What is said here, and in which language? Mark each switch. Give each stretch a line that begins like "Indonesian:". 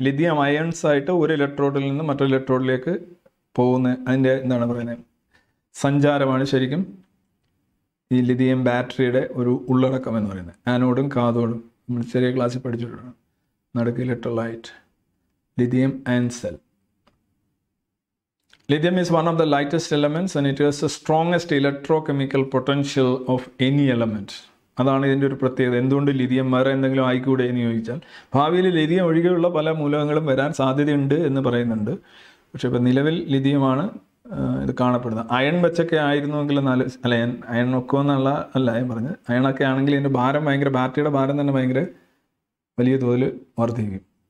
Malayalam: Lithium ions ആയിട്ട് ഒരു ഇലക്ട്രോഡിൽ നിന്ന് മറ്റൊരു ഇലക്ട്രോഡിലേക്ക് പോകുന്ന അതിൻ്റെ എന്താണ് പറയുന്നത്, സഞ്ചാരമാണ് ശരിക്കും ഈ ലിഥിയം ബാറ്ററിയുടെ ഒരു ഉള്ളടക്കം എന്ന് പറയുന്നത്. ആനോഡും കാഥോഡും നമ്മൾ ചെറിയ ക്ലാസ്സിൽ പഠിച്ചിട്ടുണ്ട്. നടുക്ക് electrolyte, lithium ion cell.
English: Lithium is one of the lightest elements and it has the strongest electrochemical potential of any element.
Malayalam: അതാണ് ഇതിൻ്റെ ഒരു പ്രത്യേകത. എന്തുകൊണ്ട് ലിഥിയം വേറെ എന്തെങ്കിലും ആയിക്കൂടെ എന്ന് ചോദിച്ചാൽ, ഭാവിയിൽ ലിഥിയം ഒഴികെയുള്ള പല മൂലകങ്ങളും വരാൻ സാധ്യതയുണ്ട് എന്ന് പറയുന്നുണ്ട്. പക്ഷേ ഇപ്പോൾ നിലവിൽ ലിഥിയമാണ് ഇത് കാണപ്പെടുന്നത്. അയൺ വെച്ചൊക്കെ ആയിരുന്നുവെങ്കിൽ നാല് അല്ല അയൺ ഒക്കെന്നുള്ള അല്ല ഞാൻ പറഞ്ഞത്, അയണൊക്കെ ആണെങ്കിൽ ഇതിൻ്റെ ഭാരം ഭയങ്കര, ബാറ്ററിയുടെ ഭാരം തന്നെ ഭയങ്കര വലിയ തോതിൽ വർദ്ധിക്കും.